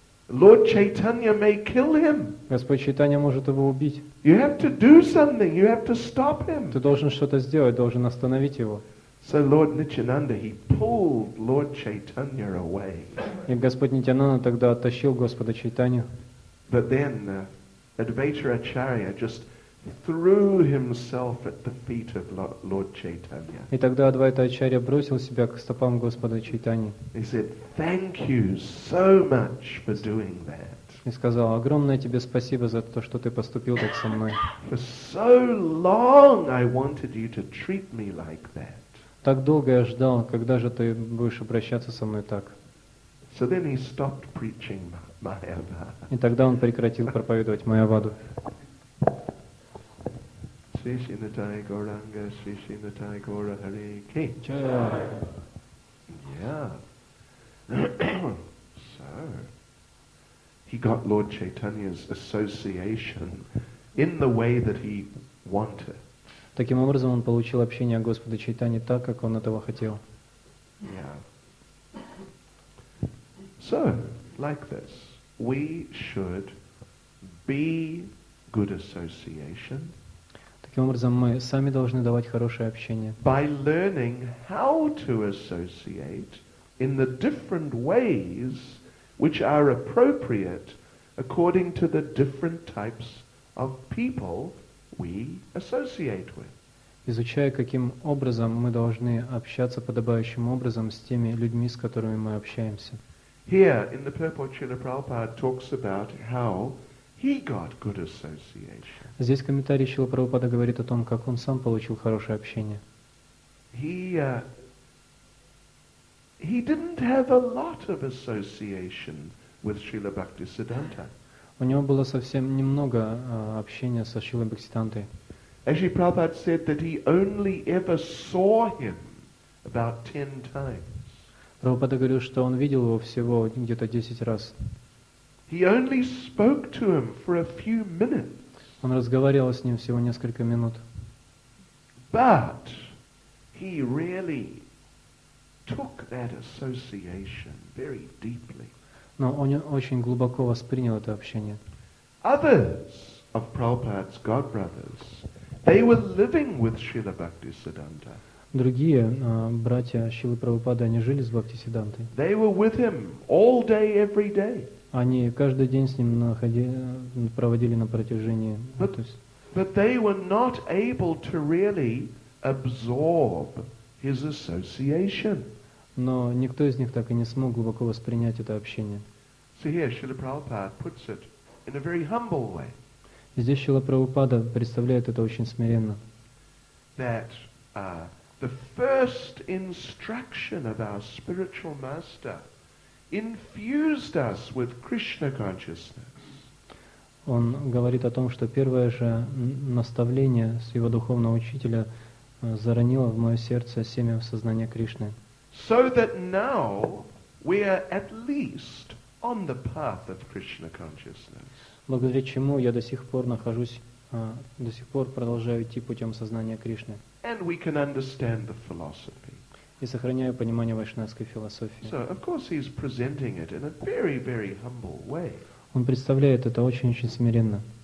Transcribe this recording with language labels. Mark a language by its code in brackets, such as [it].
[en] Lord Chaitanya may kill him. [ru] Господь Чайтанья может его убить. [en] You have to do something. You have to stop him. [ru] Ты должен что-то сделать, должен остановить его. [en] So Lord Nityananda, he pulled Lord Chaitanya away. [ru] И Господь Нитьянанда тогда оттащил Господа Чайтанью. [en] But then Advaita Acharya just threw himself at the feet of Lord Chaitanya. [ru] И тогда Адвайта Ачарья бросил себя к стопам Господа Чайтаньи. [en] He said, "Thank you so much for doing that." [ru] И сказал: "Огромное тебе спасибо за то, что ты поступил так со мной." [en] For so long I wanted you to treat me like that. [ru] Так долго я ждал, когда же ты будешь обращаться со мной так? [en] So then he stopped preaching Mayavada. [ru] И тогда он прекратил проповедовать Майаваду. Srishinatai Gauranga, Srishinatai Gaura Hare Ki. Chaya. [en] Yeah. So, he got Lord Chaitanya's association in the way that he wanted. [ru] Таким образом, он получил общение Господа Чайтаньи так, как он этого хотел. [en] Yeah. So, like this, we should be good association. [ru] Таким образом, мы сами должны давать хорошее общение. [en] By learning how to associate in the different ways which are appropriate according to the different types of people we associate with. [ru] Изучая, каким образом мы должны общаться подобающим образом с теми людьми, с которыми мы общаемся. [en] Here in the purport, Srila Prabhupada talks about how he got good association. [ru] Здесь комментарий Шрилы Прабхупады говорит о том, как он сам получил хорошее общение. [en] He didn't have a lot of association with Srila Bhaktisiddhanta. [ru] У него было совсем немного общения со Шрилой Бхактисиддхантой. [en] As Shri Prabhupada said that he only ever saw him about 10 times. [ru] Прабхупада говорил, что он видел его всего где-то 10 раз. [en] He only spoke to him for a few minutes. [ru] Он разговаривал с ним всего несколько минут. [en] But he really took that association very deeply. [ru] Но он очень глубоко воспринял это общение. [en] Others of Prabhupada's godbrothers, they were living with Srila Bhaktisiddhanta. [ru] Другие братья Шрилы Прабхупады, они жили с Бхактисиддхантой. [en] They were with him all day, every day. [ru] Они каждый день с ним проводили на протяжении. [en] But they were not able to really absorb his association. [ru] Но никто из них так и не смог глубоко воспринять это общение. [en] So here Srila Prabhupada puts it in a very humble way. [ru] Здесь Шрила Прабхупада представляет это очень смиренно. [en] That the first instruction of our spiritual master infused us with Krishna consciousness. [ru] Он говорит о том, что первое же наставление своего духовного учителя заронило в мое сердце семя сознания Кришны. [en] So that now we are at least on the path of Krishna consciousness. [ru] Благодаря чему я до сих пор продолжаю идти путем сознания Кришны. [en] And we can understand the philosophy. [ru] И сохраняю понимание вайшнавской философии. [en] So, of course, he's presenting it in a very, very humble way. [ru] Он представляет это очень-очень смиренно.